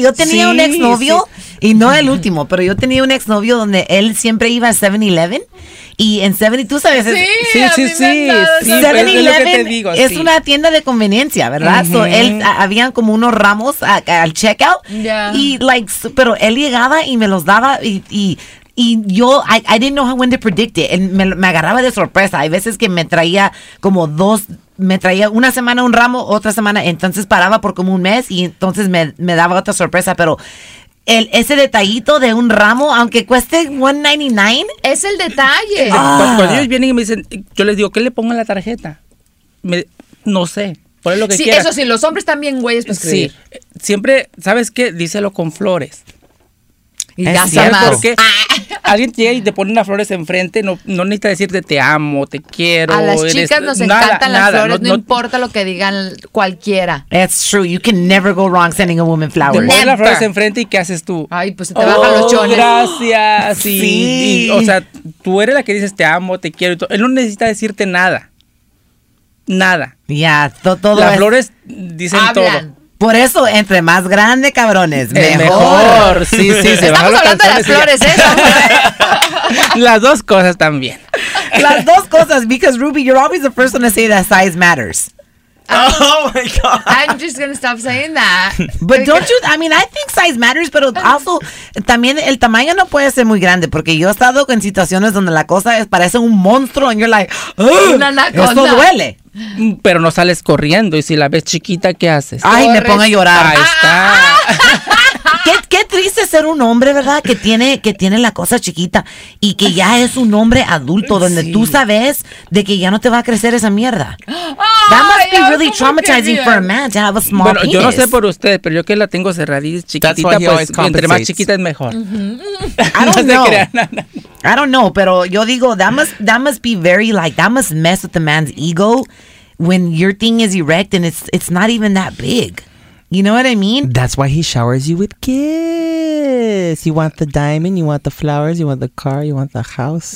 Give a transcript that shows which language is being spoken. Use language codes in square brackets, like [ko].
[es] Yo tenía un exnovio, y no el último, pero yo tenía un exnovio donde él siempre iba a 7-Eleven. Y en 7-Eleven, tú sabes. Sí. 7-Eleven es una tienda de conveniencia, ¿verdad? Uh-huh. So, él, habían como unos ramos al checkout. [en] Yeah. [es] Y, like, pero él llegaba y me los daba y... y yo, [en] I didn't know how when to predict it. And [es] me agarraba de sorpresa. Hay veces que me traía como dos, me traía una semana un ramo, otra semana. Entonces paraba por como un mes y entonces me daba otra sorpresa. Pero ese detallito de un ramo, aunque cueste $199. Es el detalle. Cuando ellos vienen y me dicen, yo les digo, ¿qué le pongo en la tarjeta? No sé. Por lo que sí, quieras. Eso sí, los hombres también, güey, es para escribir. Sí, siempre, ¿sabes qué? Díselo con flores. Y ya sabes. ¿Sabes por qué? Alguien llega y te pone unas flores enfrente, no necesita decirte te amo, te quiero. A las chicas nos encantan las flores, no importa lo que digan cualquiera. [en] That's true, you can never go wrong sending a woman flowers. [es] Te pone las flores enfrente y ¿qué haces tú? Ay, pues se te bajan los chones. Gracias. Y, o sea, tú eres la que dices te amo, te quiero. Y él no necesita decirte nada. Nada. Ya, todo. Las flores dicen todo. Por eso, entre más grande, cabrones, mejor. Sí. Estamos hablando de las flores, ¿eh? Las dos cosas también. Las dos cosas, [en] because Ruby, you're always the first one to say that size matters. Oh my God. I'm just going to stop saying that. But don't you, I mean, I think size matters, [es] pero also, también el tamaño no puede ser muy grande, porque yo he estado en situaciones donde la cosa es, parece un monstruo, [en] and you're like, [es] una anaconda. Eso duele. Pero no sales corriendo, y si la ves chiquita, ¿qué haces? Ay, me pongo a llorar. Ahí está. Qué triste ser un hombre, ¿verdad? Que tiene la cosa chiquita y que ya es un hombre adulto donde sí. Tú sabes de que ya no te va a crecer esa mierda. [en] That must be really traumatizing for a man to have a small penis. [es] Bueno, yo no sé por usted, pero yo que la tengo cerradita, chiquitita, pues entre más chiquita es mejor. Mm-hmm. [en] I don't know, [es] pero yo digo, [en] that must be very like, that must mess with the man's ego when your thing is erect and it's not even that big. You know what I mean? That's why he showers you with kiss. You want the diamond, you want the flowers, you want the car, you want the house.